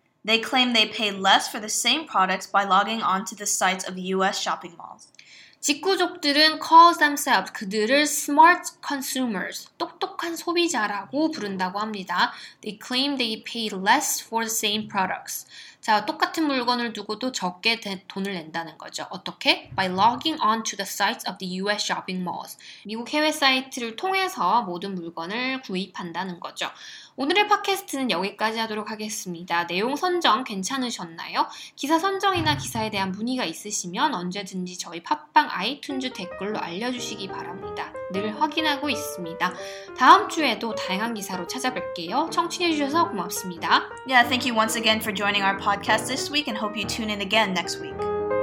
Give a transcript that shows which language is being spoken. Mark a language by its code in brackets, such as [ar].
[en] They claim they pay less for the same products by logging onto the sites of US shopping malls. [ko] 직구족들은 [en] call themselves, [ko] 그들을 smart consumers, 똑똑한 소비자라고 부른다고 합니다. [en] They claim they pay less for the same products. [ko] 자, 똑같은 물건을 두고도 적게 돈을 낸다는 거죠. 어떻게? [en] By logging on to the sites of the US shopping malls. [ko] 미국 해외 사이트를 통해서 모든 물건을 구입한다는 거죠. 오늘의 팟캐스트는 여기까지 하도록 하겠습니다. 내용 선정 괜찮으셨나요? 기사 선정이나 기사에 대한 문의가 있으시면 언제든지 저희 팟빵 아이튠즈 댓글로 알려주시기 바랍니다. 늘 확인하고 있습니다. 다음 주에도 다양한 기사로 찾아뵐게요. 청취해주셔서 고맙습니다. [en] Yeah, thank you once again for joining our podcast this week and hope you tune in again next week.